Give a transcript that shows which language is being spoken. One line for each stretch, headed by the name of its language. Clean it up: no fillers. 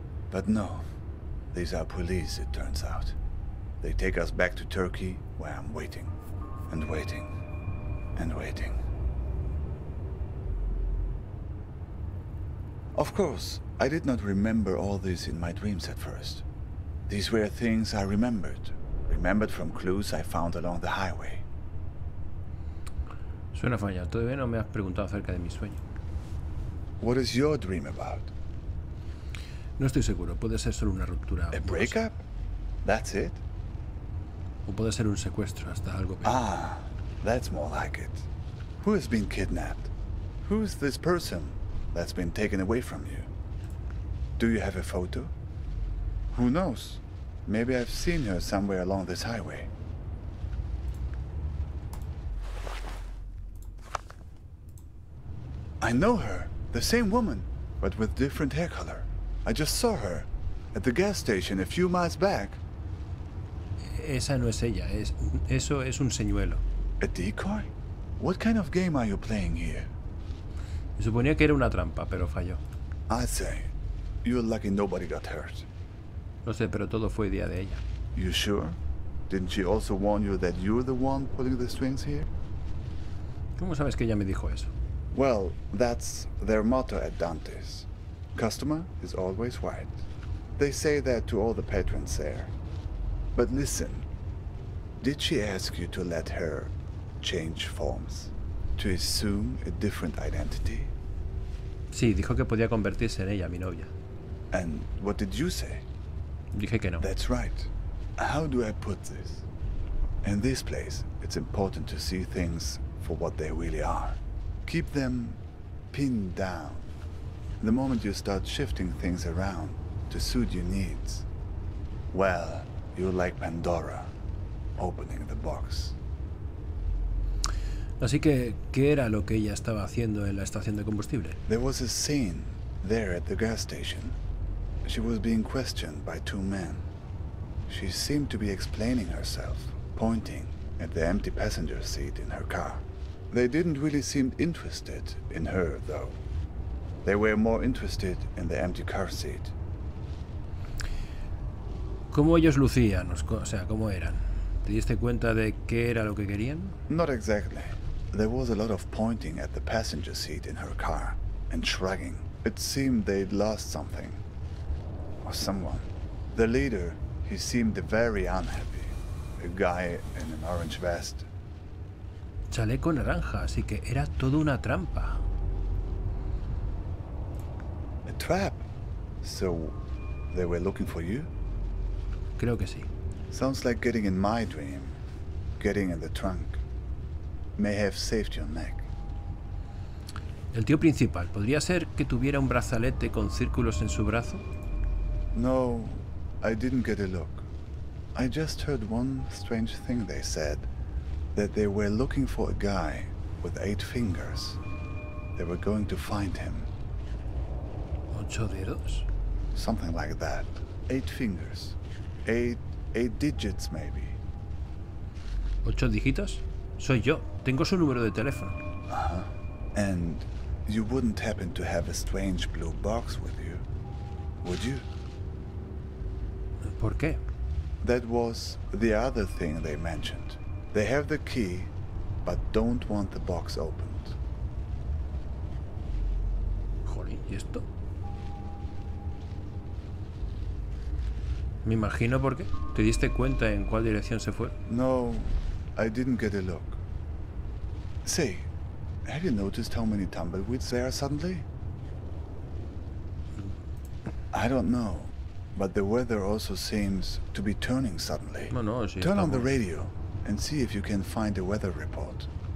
English: But no, these are police, it turns out. They take us back to Turkey, where I'm waiting and waiting and waiting. Of course, I did not remember all this in my dreams at first. These were things I remembered. Remembered from clues I found along the highway.
Spanish: Suena falla. Todavía no me has preguntado acerca de mi sueño.
English: What is your dream about?
Spanish: No estoy seguro. Puede ser solo una ruptura.
English: A breakup? That's it?
Spanish: O puede ser un secuestro, hasta algo peor.
English: Ah, that's more like it. Who has been kidnapped? Who is this person that's been taken away from you? Do you have a photo? Who knows? Maybe I've seen her somewhere along this highway. I know her, the same woman, but with different hair color. I just saw her at the gas station a few miles back.
Spanish: Esa no es ella, eso es un señuelo.
English: A decoy? What kind of game are you playing here?
Spanish: Me suponía que era una trampa, pero falló.
English: I say, you're lucky nobody got hurt.
Spanish: No sé, pero todo fue idea de ella.
English: You sure? Didn't she also warn you that you're the one pulling the strings here?
Spanish: ¿Cómo sabes que ella me dijo eso?
English: Well, that's their motto at Dante's. Customer is always right. They say that to all the patrons there. But listen, did she ask you to let her change forms? To assume a different identity?
Spanish: Sí, dijo que podía convertirse en ella, mi novia.
English: And what did you say?
Spanish: Dije que no.
English: That's right. How do I put this? In this place, it's important to see things for what they really are. Keep them pinned down. The moment you start shifting things around to suit your needs, well, you're like Pandora, opening the box.
Spanish: Así que, ¿qué era lo que ella estaba haciendo en la estación de combustible?
English: There was a scene there at the gas station. She was being questioned by two men. She seemed to be explaining herself, pointing at the empty passenger seat in her car. They didn't really seem interested in her, though. They were more interested in the empty car seat.
Spanish: ¿Cómo ellos lucían? O sea, ¿cómo eran? ¿Te diste cuenta de qué era lo que querían?
English: Not exactly. There was a lot of pointing at the passenger seat in her car and shrugging. It seemed they'd lost something or someone. The leader, he seemed very unhappy. A guy in an orange vest.
Spanish: Chaleco naranja, así que era todo una trampa.
English: A trap. So they were looking for you?
Spanish: Creo que sí.
English: Sounds like getting in my dream, getting in the trunk. May have saved your neck.
Spanish: El tío principal, ¿podría ser que tuviera un brazalete con círculos en su brazo?
English: No, I didn't get a look. I just heard one strange thing they said, that they were looking for a guy with 8 fingers. They were going to find him.
Spanish: 8 dedos?
English: Something like that. 8 fingers. 8 digits, maybe.
Spanish: 8 dígitos? Soy yo. Tengo su número de teléfono. Uh-huh.
English: And you wouldn't happen to have a strange blue box with you, would you?
Spanish: ¿Por qué?
English: That was the other thing they mentioned. They have the key, but don't want the box opened.
Spanish: Jolín, ¿y esto? Me imagino por qué. ¿Te diste cuenta en cuál dirección se fue?
English: No, I didn't get a look. Say, have you noticed how many tumbleweeds there are suddenly? I don't know, but the weather also seems to be turning suddenly.
Spanish: Bueno, sí,
English: turn on the radio and see if you can find a weather report.